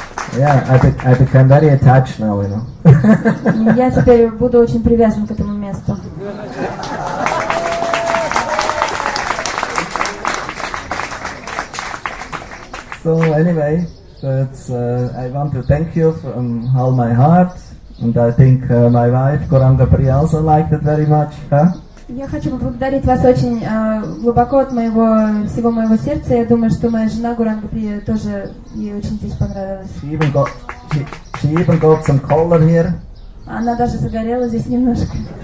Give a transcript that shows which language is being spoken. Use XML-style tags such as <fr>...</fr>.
<en>Yeah, I become very attached now, you know.</en> <ru>Я теперь буду очень привязан к этому месту.</ru> <en>So anyway, that's I want to thank you from all my heart, and I think my wife Goranga Pri also liked it very much, huh?</en> <ru>Я хочу поблагодарить вас очень глубоко от всего моего сердца. Я думаю, что моя жена Гуранга При тоже ей очень здесь понравилось.</ru> <en>She even got some color here.</en> <ru>Она даже загорела здесь немножко.</ru>